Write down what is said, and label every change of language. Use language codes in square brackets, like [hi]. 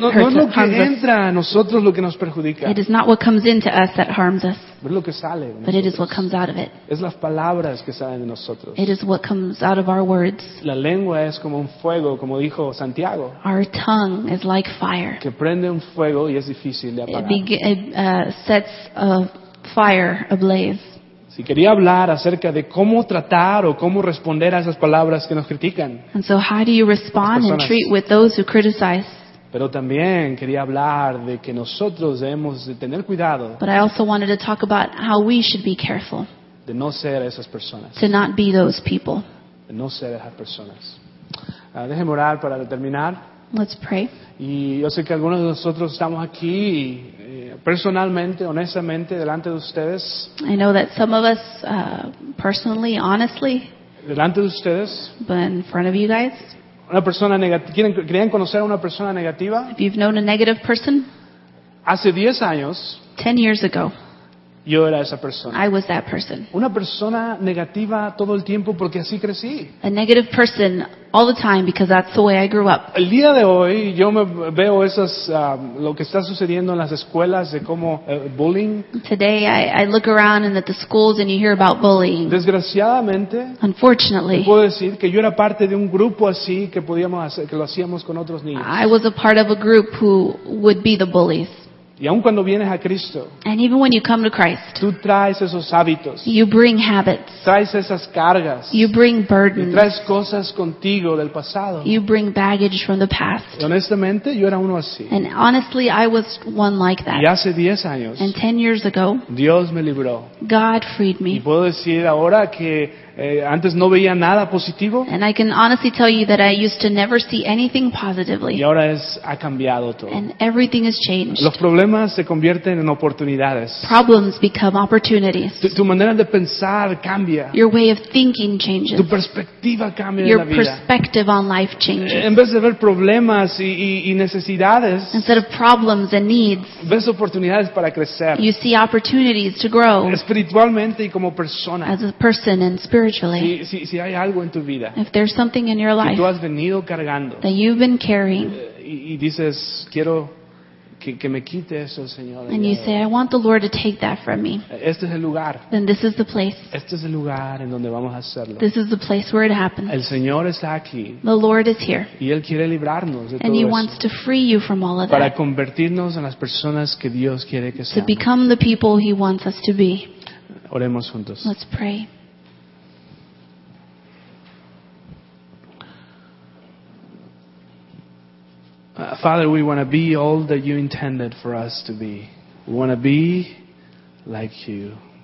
[es] No es lo que entra a nosotros lo que nos perjudica. [en] It is not what comes into us that harms us. [es] Es lo que sale, [en] but it is what comes out of it. [es] Es las palabras que salen de nosotros. [en] It is what comes out of our words. [es] La lengua es como un fuego, como dijo Santiago. [en] Our tongue is like fire. [es] Que prende un fuego y es difícil de apagar. [en] It sets a fire ablaze. [es] Si quería hablar acerca de cómo tratar o cómo responder a esas palabras que nos critican. [en] And so how do you respond and treat with those who criticize? [es] Pero también quería hablar de que nosotros debemos de tener cuidado. [en] But I also wanted to talk about how we should be careful. [es] De no ser esas personas. [en] To not be those people. [es] De no ser esas personas. Déjeme orar para terminar. [en] Let's pray. [es] Y yo sé que algunos de nosotros estamos aquí personalmente, honestamente, delante de ustedes. [en] I know that some of us personally, honestly. [es] Delante de ustedes. [en] But in front of you guys. [es] Una persona negativa. ¿Querían conocer a una persona negativa? [en] If you've known a negative person, [es] hace 10 años, [en] 10 years ago, [es] yo era esa persona. [en] I was that person. [es] Una persona negativa todo el tiempo porque así crecí. [en] A negative person all the time because that's the way I grew up. [es] El día de hoy yo me veo esas lo que está sucediendo en las escuelas de cómo bullying. [en] Today I look around and at the schools and you hear about bullying. [es] Desgraciadamente, [en] unfortunately, [es] puedo decir que yo era parte de un grupo así que podíamos hacer, que lo hacíamos con otros niños. [en] I was a part of a group who would be the bullies. [es] Y aun cuando vienes a Cristo, [en] and even when you come to Christ, [es] tú traes esos hábitos, [en] you bring habits, [es] traes esas cargas, [en] you bring burdens, [es] y traes cosas contigo del pasado, [en] you bring baggage from the past. [es] Y honestamente, yo era uno así. [en] And honestly, I was one like that. [es] Y hace 10 años, [en] and 10 years ago, [es] Dios me libró. [en] God freed me. [es] Y puedo decir ahora que antes no veía nada positivo. [en] And I can honestly tell you that I used to never see anything positively. [es] Y ahora ha cambiado todo. [en] And everything has changed. [es] Los problemas se convierten en oportunidades. [en] Problems become opportunities. [es] Tu manera de pensar cambia. [en] Your way of thinking changes. [es] Tu perspectiva cambia en la vida. [en] Your perspective on life changes. [es] En vez de ver problemas y necesidades, [en] instead of problems and needs, [es] ves oportunidades para crecer. [en] You see opportunities to grow. [es] Espiritualmente y como persona. [en] As a person and spiritually, [es] si hay algo en tu vida, [en] if there's something in your life [es] que tú has venido cargando, [en] that you've been carrying, [es] y dices, quiero que me quite eso, Señor. [en] And you say, I want the Lord to take that from me. [es] Este es el lugar. [en] Then this is the place. [es] Este es el lugar en donde vamos a hacerlo. [en] This is the place where it happens. [es] El Señor está aquí. [en] The Lord is here. [es] Y Él quiere librarnos de [en] and [es] todo [en] He [es] eso. [en] Wants to free you from all of [es] para [en] that. [es] Convertirnos en las personas que Dios quiere que seamos. [en] Become the people He wants us to be. [es] Oremos juntos. [en] Let's pray. Father, we want to be all that you intended for us to be. We want to be like you.